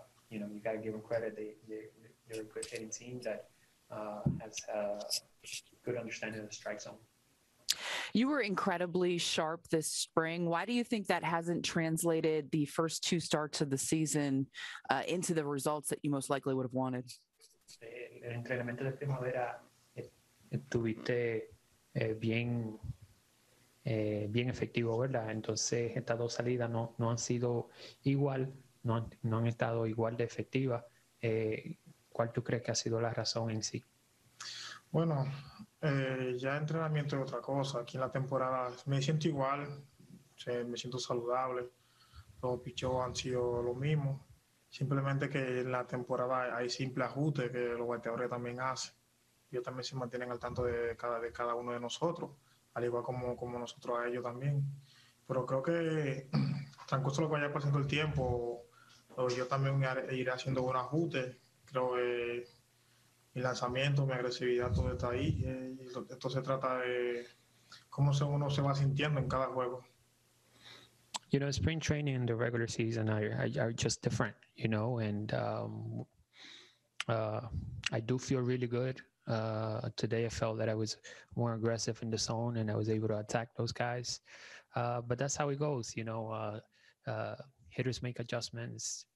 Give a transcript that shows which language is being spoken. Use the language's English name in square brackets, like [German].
[English] You know, you got to give them credit. They're a good hitting team that has a good understanding of the strike zone. You were incredibly sharp this spring. Why do you think that hasn't translated the first two starts of the season into the results that you most likely would have wanted? [Spanish] El entrenamiento de primavera estuviste bien efectivo, ¿verdad? Entonces, estas dos salidas no han sido igual, no han estado igual de efectivas. ¿Cuál tú crees que ha sido la razón en sí? Bueno, ya entrenamiento es otra cosa. Aquí en la temporada me siento igual, me siento saludable. Los picheos han sido lo mismo. Simplemente que en la temporada hay simple ajuste que los bateadores también hacen. Ellos también se mantienen al tanto de cada uno de nosotros, al igual como nosotros a ellos también. Pero creo que transcurso lo que vaya pasando el tiempo, yo también iré haciendo un ajuste. Creo que mi lanzamiento, mi agresividad, todo está ahí. Esto se trata de cómo uno se va sintiendo en cada juego. [English] You know, spring training and the regular season are just different, you know, and I do feel really good. Today I felt that I was more aggressive in the zone and I was able to attack those guys. But that's how it goes, you know. Hitters make adjustments.